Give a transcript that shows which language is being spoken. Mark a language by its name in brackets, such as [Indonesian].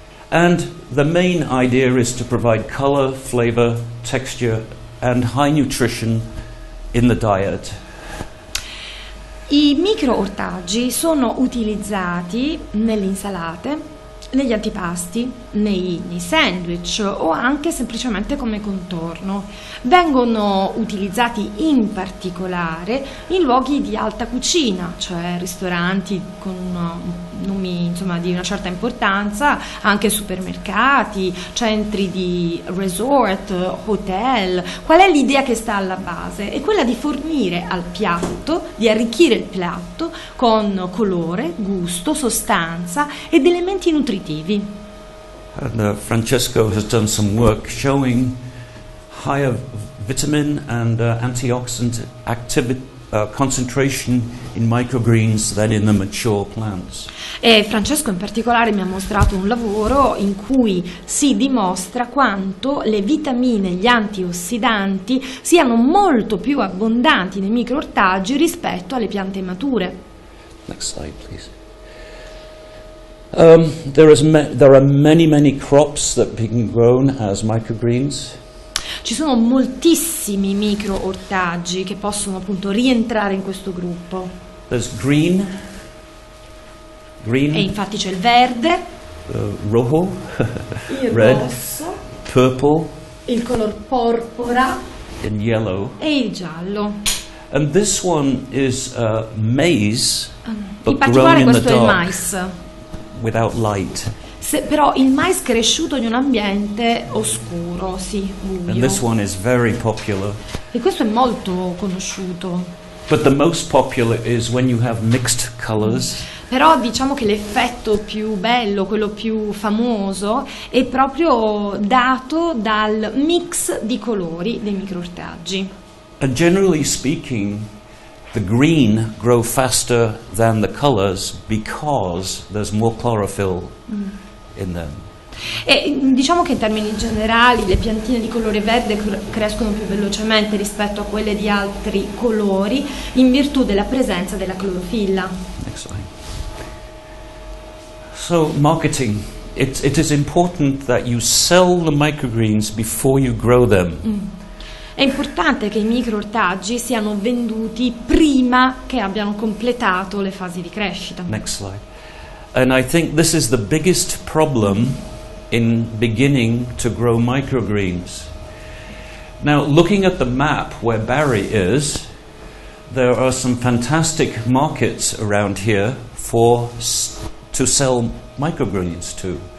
[English] And the main idea is to provide color, flavor, texture and high nutrition in the diet. [Italian] I microortaggi sono utilizzati nelle insalate, negli antipasti, nei sandwich o anche semplicemente come contorno. Vengono utilizzati in particolare in luoghi di alta cucina, cioè ristoranti con nomi insomma di una certa importanza, anche supermercati, centri di resort, hotel. Qual è l'idea che sta alla base? È quella di fornire al piatto, di arricchire il piatto con colore, gusto, sostanza ed elementi nutritivi. [English] And Francesco has done some work showing higher vitamin and antioxidant concentration in microgreens than in the mature plants. [Italian] E Francesco in particolare mi ha mostrato un lavoro in cui si dimostra quanto le vitamine, gli antiossidanti siano molto più abbondanti nei microortaggi rispetto alle piante mature. [English] Next slide, please. There are many, many crops that have been grown as microgreens. [Italian] Ci sono moltissimi microortaggi che possono appunto rientrare in questo gruppo. [English] There's green. [Italian] E infatti c'è il verde. [Spanish] Rojo. [Italian] Il [English] red, [Italian] rosso. [English] Purple. [Italian] Il color porpora. [English] And yellow. [Italian] E il giallo. [English] And this one is maize, but grown in the dark. [Italian] Questo è il mais. [English] Without light. [Italian] Se, però il mais cresciuto in un ambiente oscuro, sì, buio. [English] And this one is very popular. [Italian] E questo è molto conosciuto. [English] But the most popular is when you have mixed colors. [Italian] Però diciamo che l'effetto più bello, quello più famoso, è proprio dato dal mix di colori dei microortaggi. [English] And generally speaking, The green grow faster than the colors because there's more chlorophyll in them. [Italian] E diciamo che in termini generali le piantine di colore verde crescono più velocemente rispetto a quelle di altri colori in virtù della presenza della clorofilla. [English] Excellent. So marketing. It is important that you sell the microgreens before you grow them. [Italian] È importante che i microortaggi siano venduti prima che abbiano completato le fasi di crescita. [English] Next slide. And I think this is the biggest problem in beginning to grow microgreens. Now, looking at the map where Barry is, there are some fantastic markets around here for to sell microgreens to.